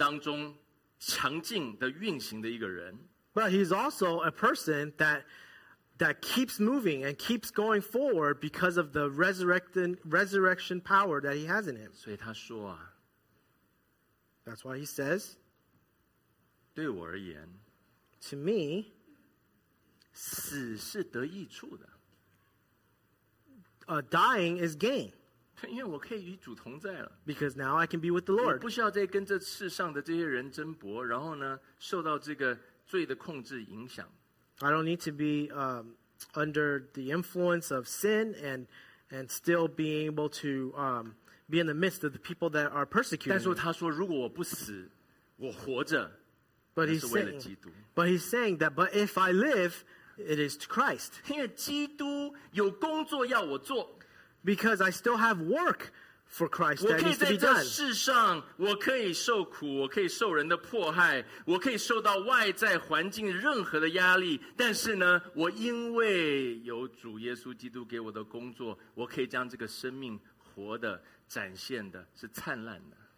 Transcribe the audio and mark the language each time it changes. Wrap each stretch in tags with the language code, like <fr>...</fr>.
<zh>但是因为他同样是有那复活的盼望在他生命当中强劲的运行的一个人。</zh> <en>But he's also a person that keeps moving and keeps going forward because of the resurrection power that he has in him.</en> <zh>所以他说啊,</zh> <en>That's why he says,</en> <zh>对我而言,</zh> <en>To me,</en> <zh>死是得益处的。</zh> <en>Dying is gain.</en> <zh>因为我可以与主同在了,</zh> <en>because now I can be with the Lord.</en> <zh>我不需要再跟这世上的这些人争搏, 然后呢, 受到这个罪的控制影响。</zh> <en>I don't need to be under the influence of sin and still being able to be in the midst of the people that are persecuting.</en> <zh>但是他说, 如果我不死, 我活着,</zh> <en>but he's saying that, but if I live, it is to Christ.</en> <zh>因为基督有工作要我做,</zh> <en>because I still have work for Christ that needs to be done.</en> <zh>我可以在这世上, 我可以受苦, 我可以受人的迫害, 我可以受到外在环境任何的压力, 但是呢, 我因为有主耶稣基督给我的工作, 我可以将这个生命活的展现的是灿烂的。</zh>